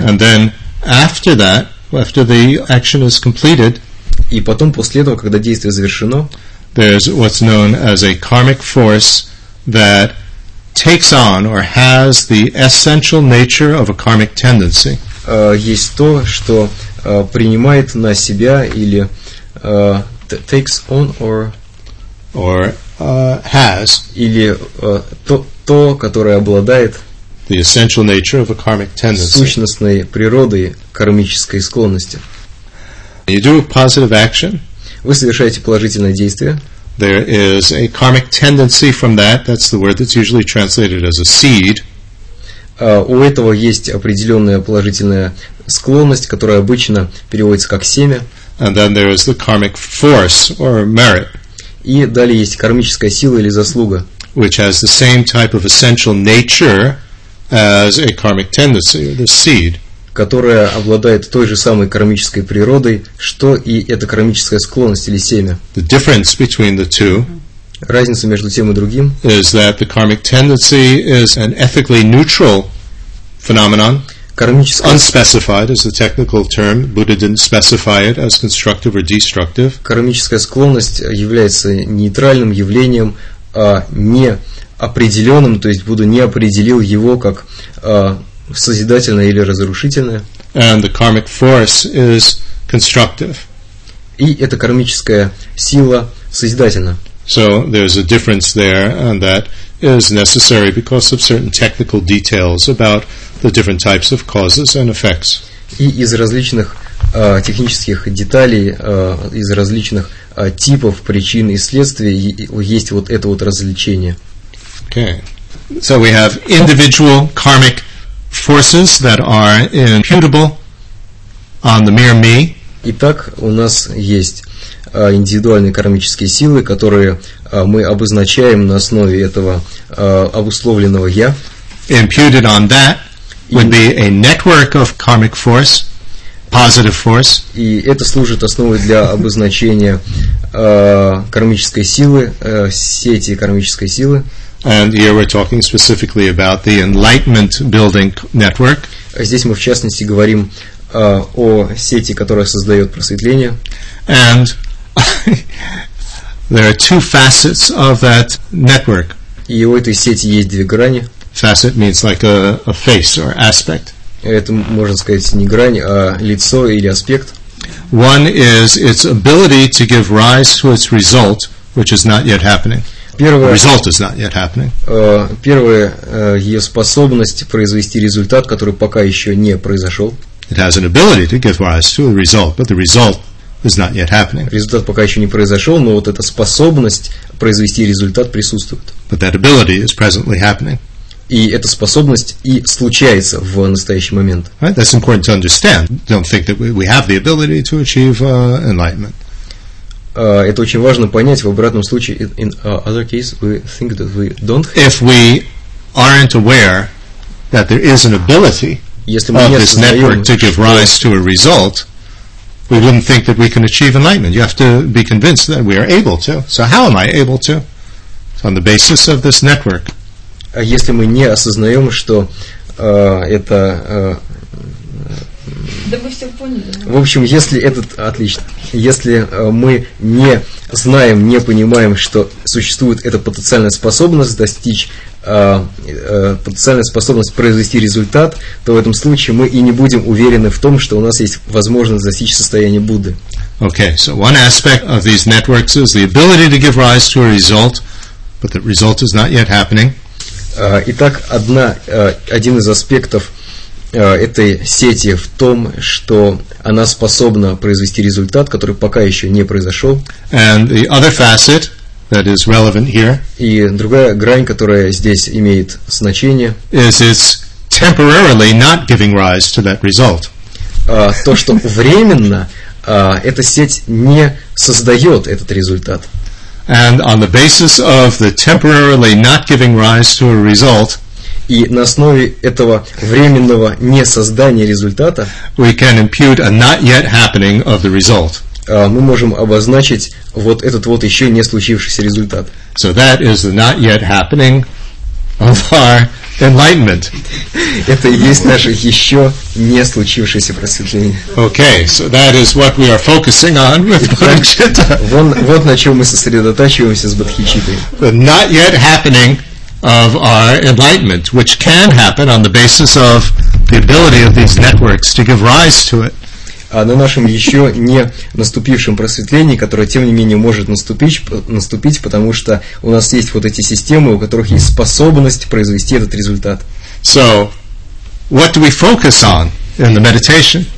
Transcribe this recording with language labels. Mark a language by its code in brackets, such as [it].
[en] And then after that, after the action is completed. [ru] И потом, после этого, когда действие завершено, [en] there's what's known as a karmic force that takes on or has the essential nature of a karmic tendency. [ru] Есть то, что принимает на себя или [en] takes on or has [ru] или то, которое обладает [en] the essential nature of a karmic tendency. [ru] Сущностной природой кармической склонности. [en] You do a positive action. [ru] Вы совершаете положительное действие. [en] There is a karmic tendency from that. That's the word that's usually translated as a seed. [ru] У этого есть определенная положительная склонность, которая обычно переводится как семя. [en] And then there is the karmic force or merit. [ru] И далее есть кармическая сила или заслуга. [en] Which has the same type of essential nature as a karmic tendency or the seed. [ru] Которая обладает той же самой кармической природой, что и эта кармическая склонность или семя. [en] The difference between the two. [ru] Разница между тем и другим. [en] Is that the karmic tendency is an ethically neutral phenomenon. [ru] Кармическая. [en] Unspecified is the technical term. Buddha didn't specify it as constructive or destructive. [ru] Кармическая склонность является нейтральным явлением, а не определенным, то есть Будда не определил его как созидательное или разрушительное. [en] And the karmic force is constructive. [ru] И эта кармическая сила созидательна. [en] So there's a difference there, and that is necessary because of certain technical details about the different types of causes and effects. [ru] И из различных технических деталей, из различных типов причин и следствий есть вот это вот различение. [en] Okay. So we have individual karmic forces that are imputable on the mere me. [ru] Итак, у нас есть индивидуальные кармические силы, которые мы обозначаем на основе этого обусловленного я. [en] Imputed on that would be a network of karmic force, positive force. [ru] И это служит основой для обозначения кармической силы, сети кармической силы. [en] And here we're talking specifically about the enlightenment building network. [ru] Здесь мы в частности говорим о сети, которая создает просветление. [en] And there are two facets of that network. [ru] И у этой сети есть две грани. [en] Facet means like a face or aspect. [ru] Это можно сказать не грань, а лицо или аспект. [en] One is its ability to give rise to its result, which is not yet happening. [ru] Первая ее способность произвести результат, который пока еще не произошел. [en] It has an ability to give rise to a result, but the result is not yet happening. [ru] Результат пока еще не произошел, но вот эта способность произвести результат присутствует. [en] But that ability is presently happening. [ru] И эта способность и случается в настоящий момент. [en] Right, that's important to understand. Don't think that we have the ability to achieve enlightenment. [ru] Это очень важно понять. В обратном случае, [en] in other case, we think that we don't have. If we aren't aware that there is an ability of this network to give rise to a result, we wouldn't think that we can achieve enlightenment. You have to be convinced that we are able to. So how am I able to? It's on the basis of this network. [ru] А если мы не осознаем, что это... Да мы все поняли. В общем, если этот... Отлично. Если мы не знаем, не понимаем, что существует эта потенциальная способность достичь, потенциальная способность произвести результат, то в этом случае мы и не будем уверены в том, что у нас есть возможность достичь состояния Будды. [en] Okay, so one aspect of these networks is the ability to give rise to a result, but the result is not yet happening. [ru] Итак, один из аспектов этой сети в том, что она способна произвести результат, который пока еще не произошел. [en] And the other facet that is relevant here, [ru] и другая грань, которая здесь имеет значение, [en] is it's temporarily not giving rise to that result. [ru] То, что временно эта сеть не создает этот результат. [en] And on the basis of the temporarily not giving rise to a result, [ru] и на основе этого временного несоздания результата, [en] we can impute a not yet happening of the result. [ru] Мы можем обозначить вот этот вот еще не случившийся результат. [en] So that is the not yet happening of our enlightenment. [ru] Это и есть наше еще не случившееся просветление. [en] Okay, so that is what we are focusing on with Bodhicitta. [ru] Вот на чем мы сосредотачиваемся с Бодхичиттой. [en] The not yet happening of our enlightenment, which can happen on the basis of the ability of these networks to give rise to it. [ru] А на нашем еще не наступившем просветлении, которое, тем не менее, может наступить, потому что у нас есть вот эти системы, у которых есть способность произвести этот результат. [en] So, what do we focus on in the meditation?